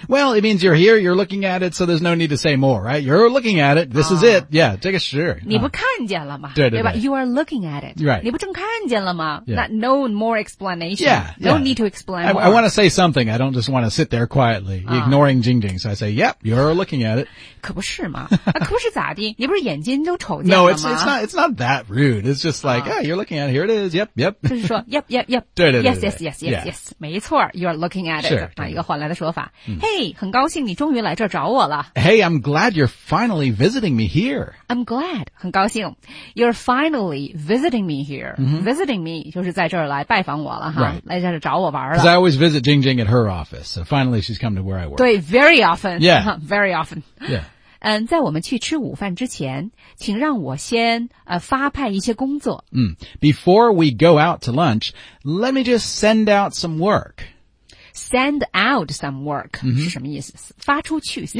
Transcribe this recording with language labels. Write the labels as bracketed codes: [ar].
[en] Well, it means you're here, you're looking at it, so there's no need to say more, right? You're looking at it, this、啊、 is it. Yeah, [zh] 这个是。你不看见了吗、啊、对, 对, 对, 对吧 [en] You are looking at it. Right. [zh] 你不正看见了吗、 [en] yeah. No more explanation. Yeah. No yeah. need to explain more. I want to say something. I don't just want to sit there quietly,、啊、 ignoring Jing Jing. So I say, yep, you're looking at it. [zh] 可不是吗可不是咋的你不是眼睛都瞅见了吗 [en] No, it's not that rude. It's just like,、啊、hey, you're looking at it, here it is. yep, yep, yep. 对，yes, yes, yes, yes, yes. [zh] 没错 [en] ,you're looking at it. [zh] 是。一个换来的说法。 Hey, 很高兴你终于来这儿找我了。 [en] Hey, I'm glad you're finally visiting me here. I'm glad, [zh] 很高兴。 [en] You're finally visiting me here.、 Mm-hmm. Visiting me, [zh] 就是在这儿来拜访我了哈。 [en] Right. [zh] 来这儿找我玩了。 [en] Because I always visit Jing Jing at her office, so finally she's come to where I work. 对 ,very often. Yeah. Very often. Yeah. [zh] 在我们去吃午饭之前请让我先发派一些工作。 [en] Before we go out to lunch, let me just send out some work. Send out some work,、 mm-hmm. [zh] 是什么意思发出去 send